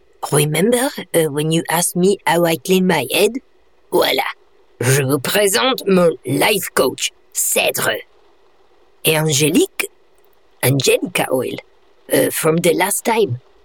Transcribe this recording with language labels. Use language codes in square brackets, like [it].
[en] Remember when you asked me how I clean my head? [fr] Voilà, je vous présente mon life coach, Cèdre. Et Angelica oil, [en] from the last time.